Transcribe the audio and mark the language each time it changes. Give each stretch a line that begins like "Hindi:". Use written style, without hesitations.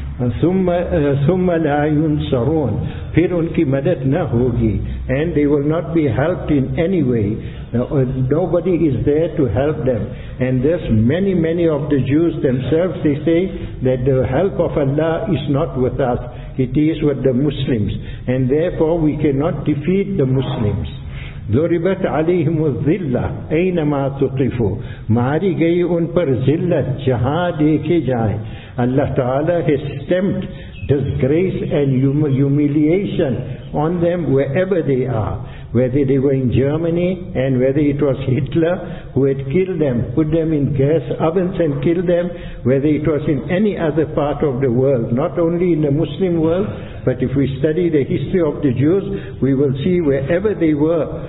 Arabic: ثُمَّ لَا يُنْصَرُونَ.
Urdu: پھر ان کی مدد نہ ہوگی.
English: And they will not be helped in any way. Nobody is there to help them. And there's many of the Jews themselves, they say that the help of Allah is not with us. It is with the Muslims. And therefore we cannot defeat the Muslims.
Arabic: ضربت عليهم الذلة أينما تقفوا.
Urdu: ماری گئی ان پر ذلت جہاں دیکھے جائیں.
English: Allah Ta'ala has stamped disgrace and humiliation on them wherever they are. Whether they were in Germany and whether it was Hitler who had killed them, put them in gas ovens and killed them, whether it was in any other part of the world, not only in the Muslim world, but if we study the history of the Jews, we will see wherever they were,